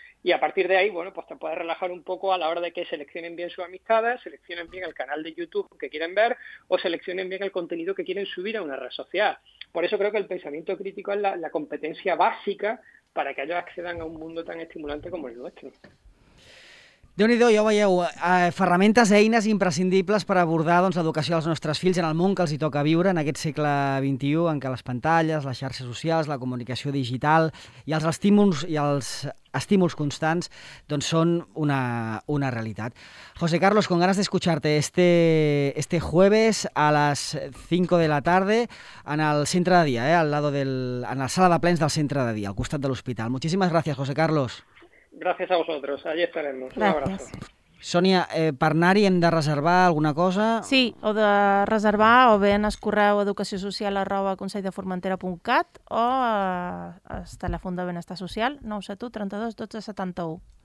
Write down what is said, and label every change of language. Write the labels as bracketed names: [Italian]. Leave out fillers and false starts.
[Spanish] Y a partir de ahí, bueno, pues te puedes relajar un poco a la hora de que seleccionen bien sus amistades, seleccionen bien el canal de YouTube que quieren ver o seleccionen bien el contenido que quieren subir a una red social. Por eso creo que el pensamiento crítico es la competencia básica para que ellos accedan a un mundo tan estimulante como el nuestro. [Catalan] Déu-n'hi-do, ja ho veieu, ferramentes, eines imprescindibles per abordar doncs, l'educació dels nostres fills en el món que els hi toca viure en aquest segle XXI, en què les pantalles, les xarxes socials, la comunicació digital i els estímuls constants doncs, són una realitat. [Spanish] José Carlos, con ganas de escucharte este jueves a les 5 de la tarde en el centre de dia, al lado en la [Catalan] sala de plens del centre de dia, al costat de l'hospital. Moltíssimes gràcies, José Carlos. [Spanish] Gracias a vosotros. Allí estaremos. Gracias. Un abrazo. [Catalan] Sònia, per anar-hi hem de reservar alguna cosa? Sí, o de reservar o bé en escorreu educaciosocial@consellideformentera.cat o al telèfon de Benestar Social 972 32 12 71.